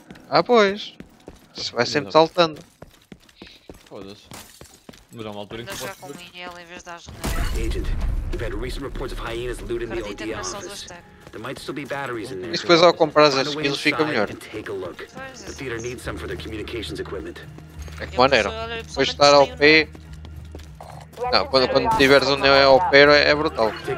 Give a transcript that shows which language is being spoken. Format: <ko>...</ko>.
<pt>Ah, pois. Se vai sempre saltando. Foda-se. Mas há uma altura em que eu posso...</pt> <en>Agent, we've had recent reports of hyenas looting the ODL office. There might still be batteries in there.</en> <pt>E depois ao comprar as skills fica melhor.</pt> <en>Take a look. The theater needs some for their communications equipment.</en> <pt>É que maneiro. Depois de estar ao pé... Não, quando tiveres um neo-OP é brutal.</pt>